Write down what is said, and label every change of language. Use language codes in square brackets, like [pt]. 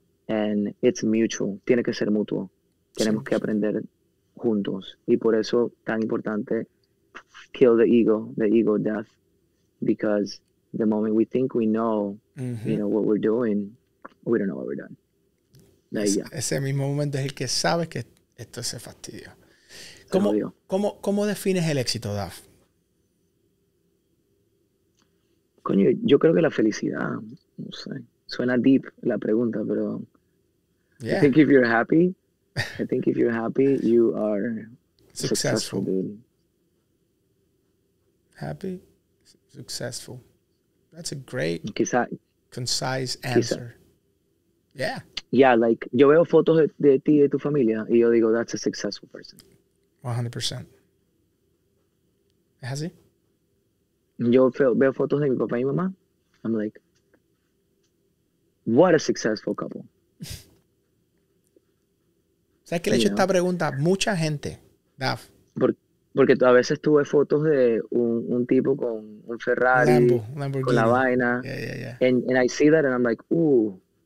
[en] And it's mutual. [es] Tiene que ser mutuo. Tenemos que aprender juntos. Y por eso tan importante, [en] kill the ego death. Because the moment we think we know, mm-hmm. you know, what we're doing, we don't know what we're doing. [es] Ese mismo momento es el que sabes que esto se fastidia. ¿Cómo defines el éxito, Dav? Coño, yo creo que la felicidad, no sé, suena deep la pregunta, pero yeah. [en] I think if you're happy, you are successful. Dude. Happy, successful. That's a great, concise answer. Yeah. [es] Yeah, like, yo veo fotos de ti y de tu familia, y yo digo, [en] that's a successful person. [es] 100%. ¿Es así? Yo veo fotos de mi papá y mamá, [en] I'm like, what a successful couple. [es] ¿Sabes qué le he hecho esta pregunta? Mucha gente, Dav. Porque a veces tú ves fotos de un tipo con un Ferrari, Lamborghini. Con la vaina. [en] Yeah. And I see that, and I'm like, ooh.